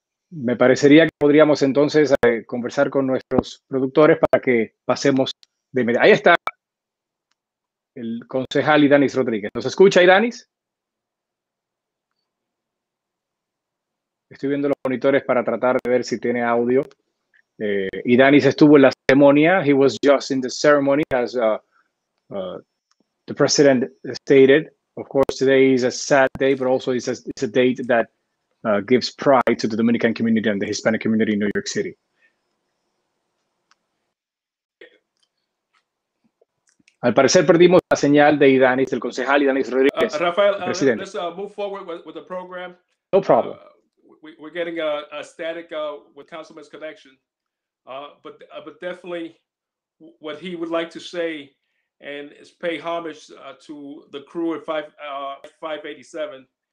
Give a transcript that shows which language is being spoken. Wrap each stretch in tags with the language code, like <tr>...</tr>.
<es>Me parecería que podríamos entonces conversar con nuestros productores para que pasemos de media. Ahí está el concejal Ydanis Rodríguez. ¿Nos escucha, Ydanis? Estoy viendo los monitores para tratar de ver si tiene audio. Ydanis estuvo en la ceremonia.</es> <en>He was just in the ceremony, as the president stated. Of course, today is a sad day, but also it's a date that gives pride to the Dominican community and the Hispanic community in New York City.</en> <es>Al parecer perdimos la señal de Ydanis, el concejal Ydanis Rodríguez.</es> <en>Rafael, presidente. Let's move forward with the program. No problem. We're getting a static with Councilman's connection, but definitely what he would like to say and is pay homage to the crew at 587.</en>